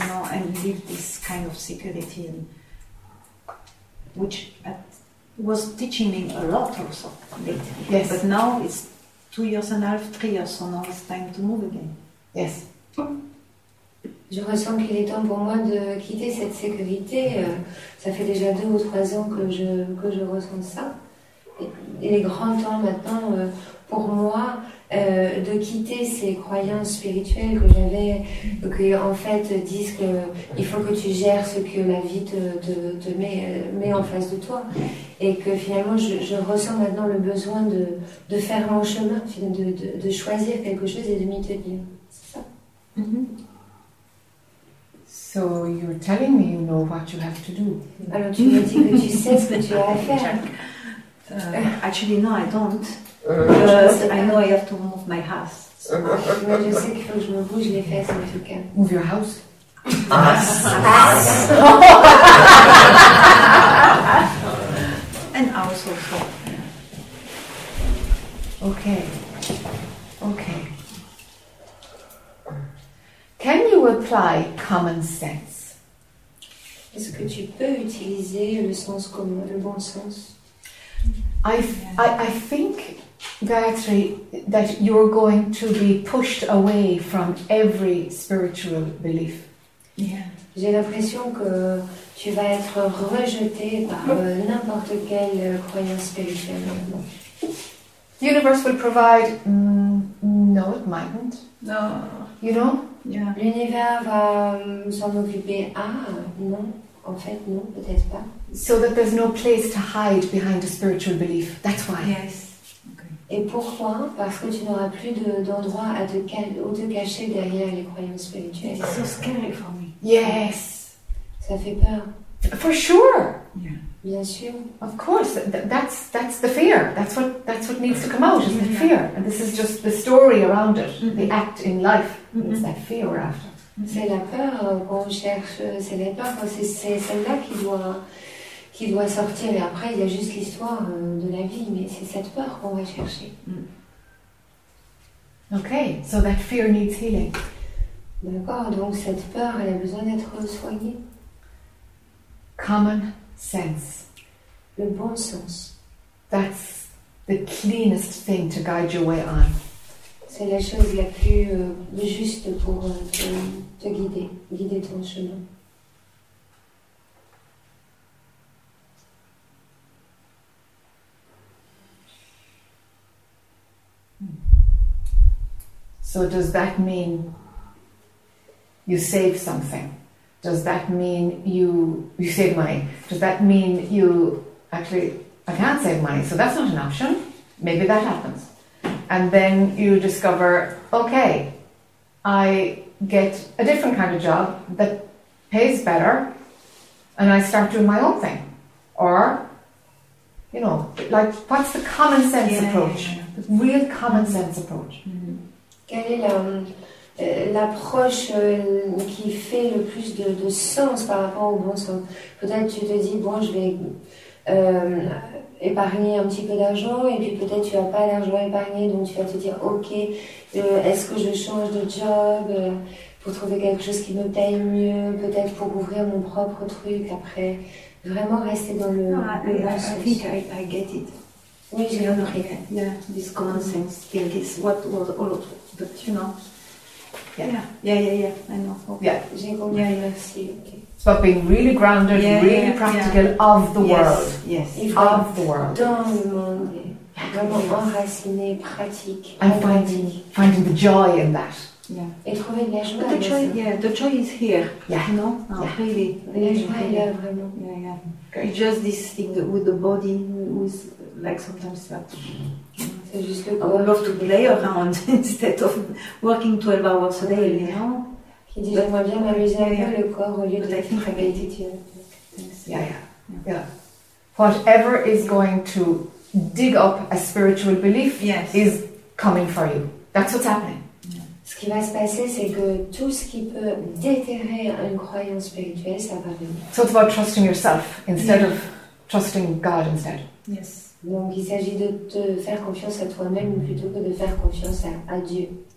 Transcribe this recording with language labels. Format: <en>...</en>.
<en>You know, and leave this kind of security and, which was teaching me a lot also lately. Yes. But now it's 2 years and a half, 3 years, so now it's time to move again. Yes.</en> <fr>Je ressens qu'il est temps pour moi de quitter cette sécurité. Ça fait déjà 2 ou 3 ans que je ressens ça. Il est grand temps maintenant pour moi de quitter ces croyances spirituelles que j'avais, qui en fait disent qu'il faut que tu gères ce que la vie te met en face de toi, et que finalement je ressens maintenant le besoin de faire mon chemin, de choisir quelque chose et de m'y tenir.</fr> <en>So you're telling me you know what you have to do.</en> <fr>Alors tu me dis que tu sais ce que tu as à faire.</fr> <en>Actually, no, I don't. I know I have to move my house.</en> <fr>Mais je sais qu'il faut que je me bouge les fesses en tout cas.</fr> <en>Move your house. Ass. And also. Okay. Okay. Can you apply common sense?</en> <fr>Est-ce que tu peux utiliser le sens commun, le bon sens?</fr> <en>I think, Gayatri, that you're going to be pushed away from every spiritual belief. Yeah.</en> <fr>J'ai l'impression que tu vas être rejeté par n'importe quelle croyance spirituelle.</fr> <en>The universe will provide. No, it mightn't. No. You know? Yeah.</en> <fr>L'univers va s'en occuper. Ah, non. En fait, non, peut-être pas.</fr> <en>So that there's no place to hide behind a spiritual belief. That's why. Yes.</en> <fr>Et pourquoi? Parce que tu n'auras plus d'endroit où te cacher derrière les croyances spirituelles.</fr> <en>It's so scary for me. Yes.</en> <fr>Ça fait peur.</fr> <en>For sure. Yeah.</en> <fr>Bien sûr.</fr> <en>Of course. That's the fear. That's what needs to come out, is the fear. And this is just the story around it. Mm-hmm. The act in life. Mm-hmm. It's that fear we're after. Mm-hmm.</en> <fr>C'est la peur qu'on cherche, c'est la peur, c'est celle-là qui doit sortir. Et après, il y a juste l'histoire de la vie, mais c'est cette peur qu'on va chercher.</fr> <en>Mm. Okay, so that fear needs healing.</en> <fr>D'accord, donc cette peur, elle a besoin d'être soignée.</fr> <en>Common sense.</en> <fr>Le bon sens.</fr> <en>That's the cleanest thing to guide your way on.</en> <fr>C'est la chose la plus juste pour te guider ton chemin.</fr> <en>So does that mean you save something? Does that mean you save money? Does that mean you actually, I can't save money, so that's not an option. Maybe that happens. And then you discover, okay, I get a different kind of job that pays better, and I start doing my own thing. Or, you know, like, what's the common sense approach? The real common sense approach. Mm-hmm.</en> <fr>Quelle est l'approche qui fait le plus de sens par rapport au bon sens? Peut-être tu te dis, bon, je vais... épargner un petit peu d'argent, et puis peut-être tu n'as pas d'argent épargné, donc tu vas te dire, ok, est-ce que je change de job pour trouver quelque chose qui me paye mieux, peut-être pour ouvrir mon propre truc après, vraiment rester dans le bon sens.</fr> <en>I get it.</en> <fr>Oui, j'ai compris.</fr> <en>Yeah, this common sense, yeah, this what all of it, but you know. Yeah, I know. Okay. Yeah.</en> <fr>J'ai compris.</fr> <en>Yeah, yeah.</en> <fr>Merci, ok.</fr> <en>But being really grounded, practical, yeah. Of the world. Yes, yes. Of the world.</en> <fr>Dans le monde. Vraiment enraciné, pratique.</fr> <en>And finding the joy in that. Yeah.</en> <fr>Et trouver la joie.</fr> <en>But the joy, the joy is here. Yeah. You know? Yeah. Oh, really.</en> <fr>La joie est là, vraiment.</fr> <en>Yeah, yeah. Great. It's just this thing with the body, with, like, sometimes that.</en> <fr>C'est juste le corps.</fr> <en>I would love to play around instead of working 12 hours a day, you know?</en> <fr>Il dit, j'aimerais bien m'amuser un peu le corps au lieu de la répétitive.</fr> <en>Yeah. Whatever is going to dig up a spiritual belief is coming for you. That's what's happening. Yeah.</en> <fr>Ce qui va se passer, c'est que tout ce qui peut déterrer une croyance spirituelle, ça va venir.</fr> <en>So it's about trusting yourself instead of trusting God instead. Yes.</en> <fr>Donc il s'agit de te faire confiance à toi-même plutôt que de faire confiance à Dieu.</fr>